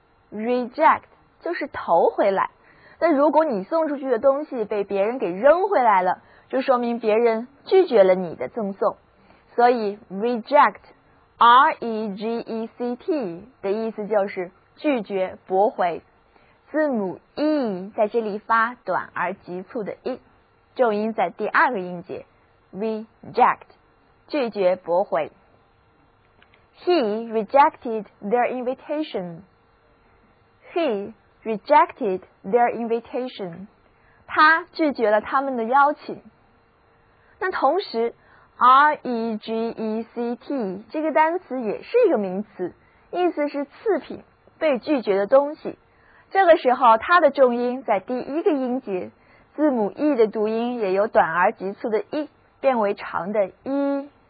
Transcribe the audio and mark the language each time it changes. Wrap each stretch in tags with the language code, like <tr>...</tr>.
<zh>Reject 就是投回来，那如果你送出去的东西被别人给扔回来了，就说明别人拒绝了你的赠送，所以 Reject REGECT 的意思就是拒绝、驳回。字母 e 在这里发短而急促的 e， 重音在第二个音节。 reject， 拒绝、驳回。</zh> <en>He rejected their invitation. He rejected their invitation.</en> <zh>他拒绝了他们的邀请。那同时 reject 这个单词也是一个名词，意思是次品，被拒绝的东西。这个时候它的重音在第一个音节，字母 e 的读音也由短而急促的 e 变为长的 e。</zh>